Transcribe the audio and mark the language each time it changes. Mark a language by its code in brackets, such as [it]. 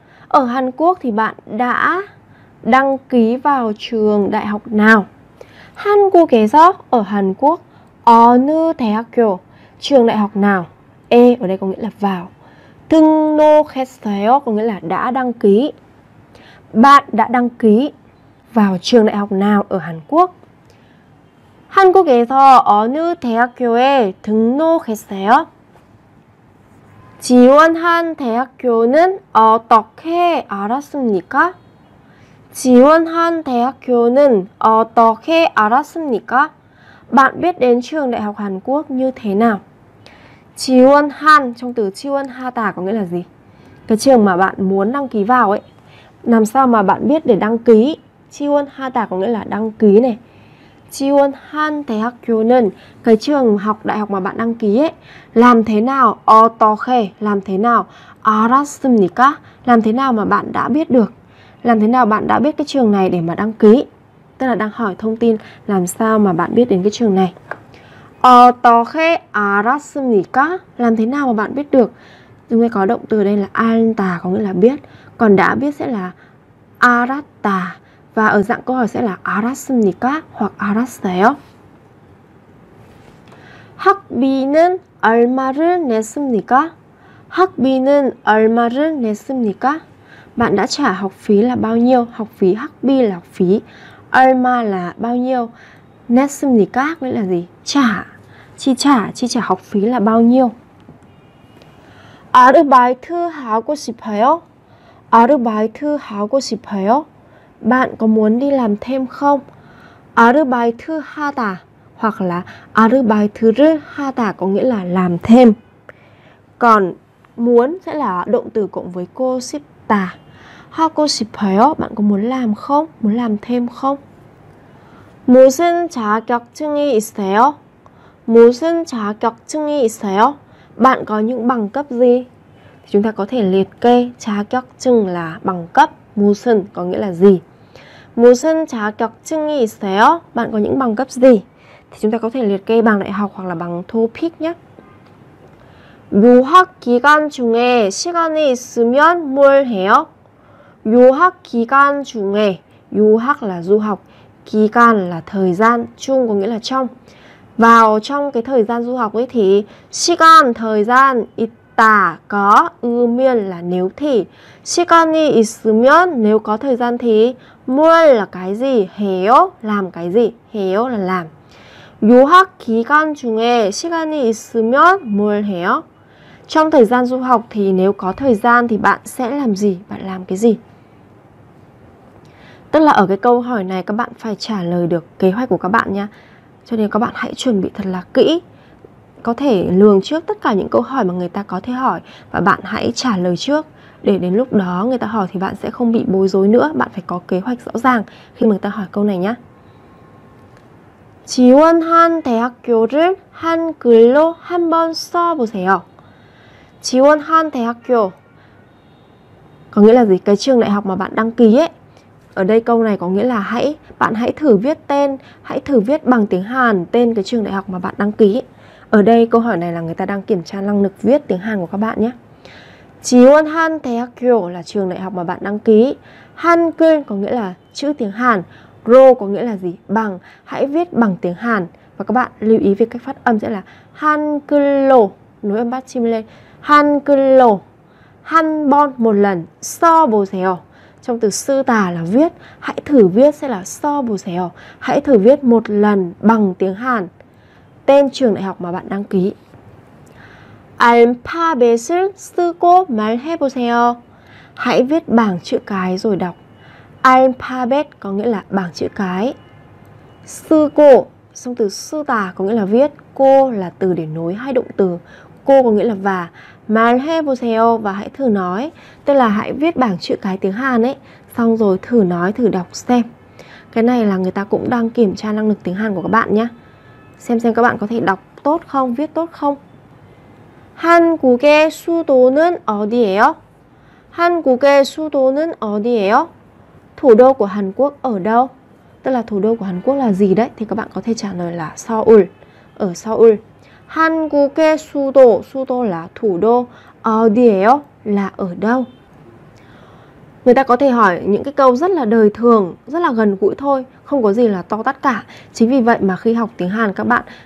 [vi] Ở Hàn Quốc thì bạn đã đăng ký vào trường đại học nào? [ko] 한국에서, [vi] ở Hàn Quốc, [ko] 어느 대학교, [vi] trường đại học nào? 에 ở đây có nghĩa là vào. 등록했어요 có nghĩa là đã đăng ký. Bạn đã đăng ký vào trường đại học nào ở Hàn Quốc? [ko] 한국에서 어느 대학교에 등록했어요? 지원한 대학교는 어떻게 알았습니까? 지원한 대학교는 어떻게 알았습니까? [vi] Bạn biết đến trường đại học Hàn Quốc như thế nào? 지원한 trong từ 지원하다 có nghĩa là gì? Cái trường mà bạn muốn đăng ký vào ấy. Làm sao mà bạn biết để đăng ký? 지원하다 có nghĩa là đăng ký này. [ko] 지원한 대학교는 [vi] cái trường học đại học mà bạn đăng ký ấy. Làm thế nào? 어떻게 làm thế nào? [ko] 알았습니까? [vi] Làm thế nào mà bạn đã biết được? Làm thế nào bạn đã biết cái trường này để mà đăng ký? Tức là đang hỏi thông tin làm sao mà bạn biết đến cái trường này. [ko] 어떻게 알았습니까? [vi] Làm thế nào mà bạn biết được? Chúng ta có động từ đây là 안다 có nghĩa là biết. Còn đã biết sẽ là 알았다. Và ở dạng câu hỏi sẽ là 알았습니까? Hoặc 알았어요. [ko] 학비는 얼마를 냈습니까? 학비는 얼마를 냈습니까? [vi] Bạn đã trả học phí là bao nhiêu? Học phí, 학비 là học phí. 얼마 là bao nhiêu? 냈습니까? Nghĩa là gì? Trả. Chi trả học phí là bao nhiêu? [ko] 아르바이트 하고 싶어요? 아르바이트 하고 싶어요? [vi] Bạn có muốn đi làm thêm không? [ko] 아르바이트 하다 [vi] hoặc là 아르바이트를 하다 có nghĩa là làm thêm. Còn muốn sẽ là động từ cộng với 고 싶다. [ko] 하고 싶어요? [vi] Bạn có muốn làm không? Muốn làm thêm không? [ko] 무슨 자격증이 있어요? 무슨 자격증이 있어요? [vi] Bạn có những bằng cấp gì? Thì chúng ta có thể liệt kê 자격증 là bằng cấp, 무슨 có nghĩa là gì? 무슨 자격증이 있어요? Bạn có những bằng cấp gì? Thì chúng ta có thể liệt kê bằng đại học hoặc là bằng topic nhé. [ko] 유학 기간 중에 시간이 있으면 뭘 해요? 유학 기간 중에 [vi] 유학 là du học, 기간 là thời gian, 중 có nghĩa là trong. Vào trong cái thời gian du học ấy thì 시간 thời gian 있다 có 으면 là nếu thì [ko] 시간이 있으면 [vi] nếu có thời gian thì 뭘 là cái gì 해요 làm cái gì 해요 là làm. [ko] 유학 기간 중에 시간이 있으면 뭘 해요? [vi] Trong thời gian du học thì nếu có thời gian thì bạn sẽ làm gì? Bạn làm cái gì? Tức là ở cái câu hỏi này các bạn phải trả lời được kế hoạch của các bạn nha. Cho nên các bạn hãy chuẩn bị thật là kỹ. Có thể lường trước tất cả những câu hỏi mà người ta có thể hỏi và bạn hãy trả lời trước. Để đến lúc đó người ta hỏi thì bạn sẽ không bị bối rối nữa. Bạn phải có kế hoạch rõ ràng khi mà người ta hỏi câu này nhé. [ko] 지원한 대학교를 한글로 한번 써보세요. 지원한 대학교 [vi] có nghĩa là gì? Cái trường đại học mà bạn đăng ký ấy. Ở đây câu này có nghĩa là bạn hãy thử viết tên, hãy thử viết bằng tiếng Hàn tên cái trường đại học mà bạn đăng ký ấy. Ở đây câu hỏi này là người ta đang kiểm tra năng lực viết tiếng Hàn của các bạn nhé. [ko] 지원한 대학교 [vi] là trường đại học mà bạn đăng ký. 한글 có nghĩa là chữ tiếng Hàn. Ro có nghĩa là gì? Bằng. Hãy viết bằng tiếng Hàn. Và các bạn lưu ý về cách phát âm sẽ là [ko] 한글로 [vi] nối âm bát chim lên. [ko] 한글로 [vi] 한번 một lần [ko] 써보세요. [vi] Trong từ 쓰다 là viết. Hãy thử viết sẽ là 써보세요. Hãy thử viết một lần bằng tiếng Hàn tên trường đại học mà bạn đăng ký. [ko] 알파벳을 쓰고 말해보세요. [vi] Hãy viết bảng chữ cái rồi đọc. 알파벳 có nghĩa là bảng chữ cái. 쓰고 xong từ 쓰다 có nghĩa là viết. Cô là từ để nối hai động từ. Cô có nghĩa là và. 말해보세요 và hãy thử nói. Tức là hãy viết bảng chữ cái tiếng Hàn ấy. Xong rồi thử nói, thử đọc xem. Cái này là người ta cũng đang kiểm tra năng lực tiếng Hàn của các bạn nhé. Xem các bạn có thể đọc tốt không, viết tốt không. [ko] 한국의 수도는 어디예요? 한국의 수도는 어디예요? [vi] Thủ đô của Hàn Quốc ở đâu? Tức là thủ đô của Hàn Quốc là gì đấy? Thì các bạn có thể trả lời là Seoul. Ở Seoul. 한국의 수도, 수도 là thủ đô. [ko] 어디예요? [vi] Là ở đâu? Người ta có thể hỏi những cái câu rất là đời thường, rất là gần gũi thôi, không có gì là to tát cả. Chính vì vậy mà khi học tiếng Hàn các bạn